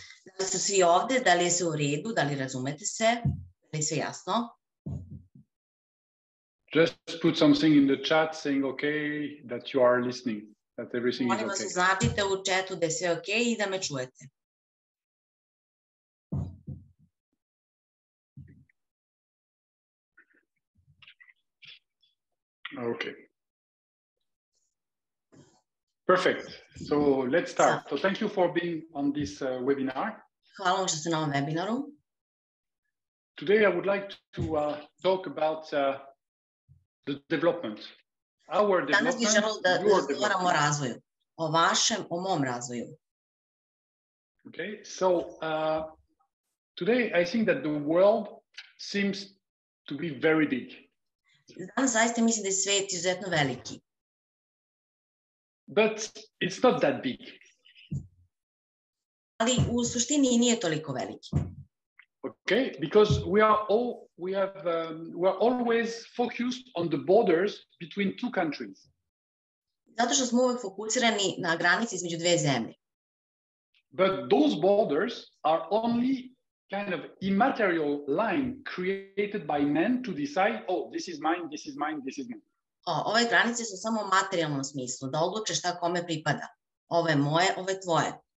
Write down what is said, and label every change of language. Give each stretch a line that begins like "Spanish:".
Serbian: Da li su svi ovde, da li je sve u redu, da li razumete se, da li je sve jasno?
English: Just put something in the chat saying okay, that you are listening, that everything is okay.
Serbian: Molim vas, znatite u chatu da je sve okay I da me čujete.
English: Okay. Perfect. So let's start. So thank you for being on this webinar.
Serbian: Hvala što ste na ovom webinaru.
English: Today I would like to talk about the development. Our development.
Serbian: Danas bih želio da razgovaram o razvoju, o vašem, o mom razvoju.
English: Okay. So today I think that the world seems to be very big.
Serbian: Danas zaista mislim da je svet izuzetno veliki.
English: But it's not that big.
Serbian: Ali u suštini nije toliko veliki.
English: Okay, because we are always focused on the borders between two countries.
Serbian: Zato što smo uvek fokusirani na granici između dve zemlje.
English: But those borders are only kind of immaterial line created by men to decide, oh, this is mine, this is mine, this is mine.
Serbian: Ove granice su samo u materijalnom smislu, da odluče šta kome pripada. Ove moje, ove tvoje.